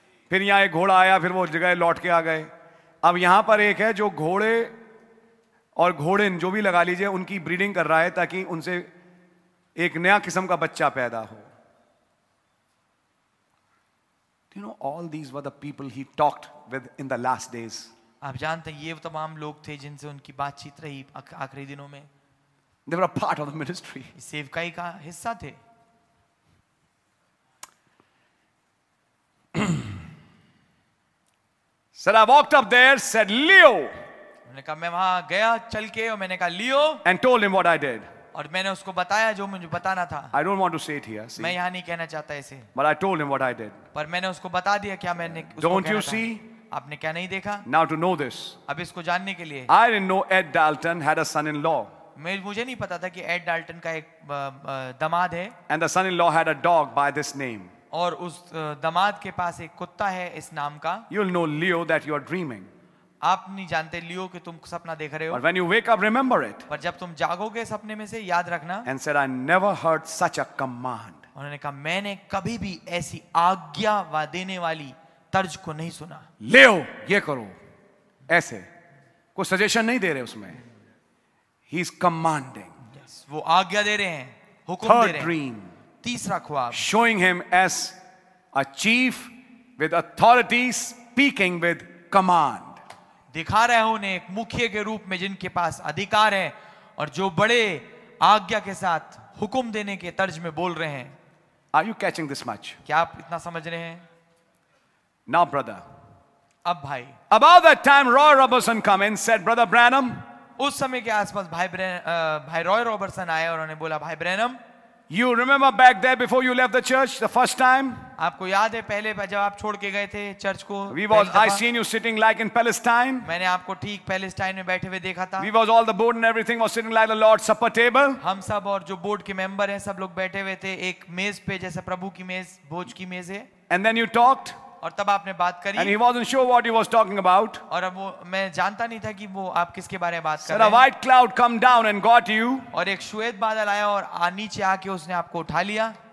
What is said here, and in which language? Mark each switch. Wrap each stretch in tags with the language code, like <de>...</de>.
<hi>फिर यहां एक घोड़ा आया, फिर वो जगह लौट के आ गए. अब यहां पर एक है जो घोड़े और घोड़े जो भी लगा लीजिए उनकी ब्रीडिंग कर रहा है ताकि उनसे एक नया किस्म का बच्चा पैदा हो.</hi> <en>You know all these were the people he talked with in the last days.</en> <hi>आप जानते हैं ये तमाम लोग थे जिनसे उनकी बातचीत रही आखिरी दिनों में.</hi> <en>They were a part of the ministry.</en> <hi>सेवकाई का हिस्सा थे.</hi> <en>Said I walked up there, said Leo. And told him what I did. I don't want to say it here. See. But I told him what I did. Don't you see?</en> <hi>आपने क्या नहीं देखा?</hi> <en>Now to know this.</en> <hi>अब इसको जानने के लिए.</hi> <en>I didn't know Ed Dalton had a son-in-law.</en> <hi>मुझे नहीं पता था कि Ed Dalton का एक दामाद है.</hi> <en>And the son-in-law had a dog by this name.</en> <hi>और उस दामाद के पास एक कुत्ता है इस नाम का.</hi> <en>You'll know Leo that you're dreaming.</en> <hi>आप नहीं जानते लियो कि तुम सपना देख रहे हो.</hi> <en>But when you wake up, remember it.</en> <hi>पर जब तुम जागोगे सपने में से याद रखना.</hi> <en>And said, I never heard such a command.</en> <hi>उन्होंने कहा मैंने कभी भी ऐसी आज्ञा वा देने वाली तर्ज को नहीं सुना. ले ओ, ये करो ऐसे. कोई सजेशन नहीं दे रहे उसमें.</hi> <en>He is commanding.</en> <hi>Yes, वो आज्ञा दे रहे हैं, हुकुम दे रहे हैं.</hi> <en>Third dream.</en> <hi>तीसरा ख्वाब.</hi> <en>Showing him as a chief with authority speaking with command.</en> <hi>दिखा रहे हैं उन्हें एक मुख्य के रूप में जिनके पास अधिकार है और जो बड़े आज्ञा के साथ हुकुम देने के तर्ज में बोल रहे हैं.</hi> <en>Are you catching this much?</en> <hi>क्या आप इतना समझ रहे हैं?</hi> <en>Now, brother.</en> <hi>अब भाई.</hi> <en>About that time, Roy Robertson came and said, Brother Branham.</en> <hi>उस समय के आसपास भाई रॉय रॉबर्टसन आए और उन्होंने बोला भाई Branham.</hi> <en>You remember back there before you left the church the first time?</en> <hi>आपको याद है पहले जब आप छोड़ के गए थे चर्च को?</hi> <en>I seen you sitting like in Palestine.</en> <hi>मैंने आपको ठीक पैलेस्टाइन में बैठे हुए देखा था.</hi> <en>We was all the board and everything was sitting like the Lord's supper table.</en> <hi>हम सब और जो बोर्ड के मेंबर हैं सब लोग बैठे हुए थे एक मेज पे जैसे प्रभु की मेज भोज की मेज है.</hi> <en>And then you talked.</en> <hi>और तब आपने बात करी.</hi> <en>And he wasn't sure what he was talking about.</en> <hi>और अब वो मैं जानता नहीं था कि वो आप किसके बारे में बात कर रहे हैं.</hi> <en>A white cloud come down and got you.</en> <hi>और एक श्वेत बादल आया और नीचे आके उसने आपको उठा लिया.</hi>